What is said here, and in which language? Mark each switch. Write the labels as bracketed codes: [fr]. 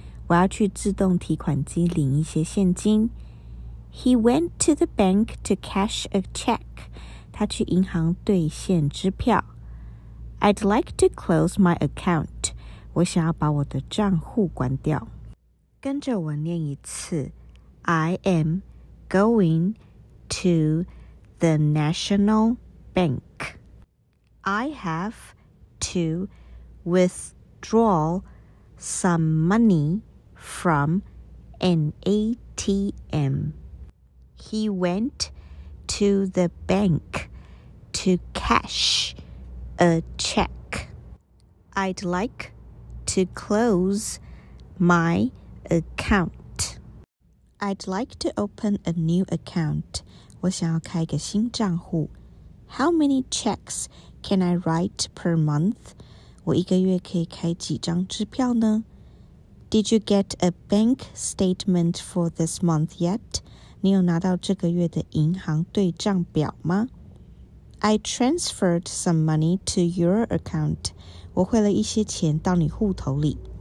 [zh] 我要去自动提款机领一些现金。 [en] He went to the bank to cash a check. [zh] 他去银行兑现支票。 [en] I'd like to close my account. [zh] 我想要把我的账户关掉。跟着我念一次。 [en] I am going to the national bank. I have to withdraw some money from an ATM. He went to the bank to cash a check. I'd like to close my account. I'd like to open a new account. [zh] 我想要开一个新账户。 [en] How many checks can I write per month? [zh] 我一个月可以开几张支票呢? [en] Did you get a bank statement for this month yet? [zh] 你有拿到这个月的银行对账表吗? [en] I transferred some money to your account. [zh] 我汇了一些钱到你户头里。